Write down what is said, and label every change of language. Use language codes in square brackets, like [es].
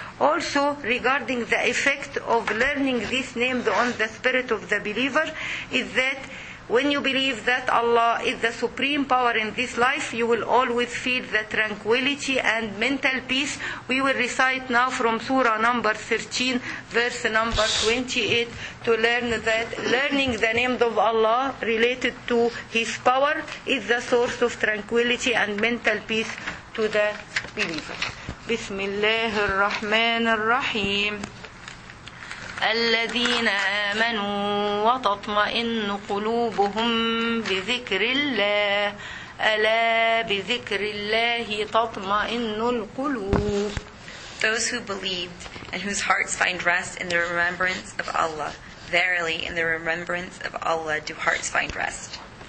[en] Also, regarding the effect of learning these names on the spirit of the believer, is that when you believe that Allah is the supreme power in this life, you will always feel the tranquility and mental peace. We will recite now from Surah number 13, verse number 28, to learn that learning the name of Allah related to His power is the source of tranquility and mental peace to the believer. [ar] بسم الله الرحمن الرحيم الذين آمنوا وتطمئن قلوبهم بذكر الله ألا بذكر الله تطمئن القلوب. [en] Those who believed and whose hearts find rest in the remembrance of Allah, verily in the remembrance of Allah do hearts find rest.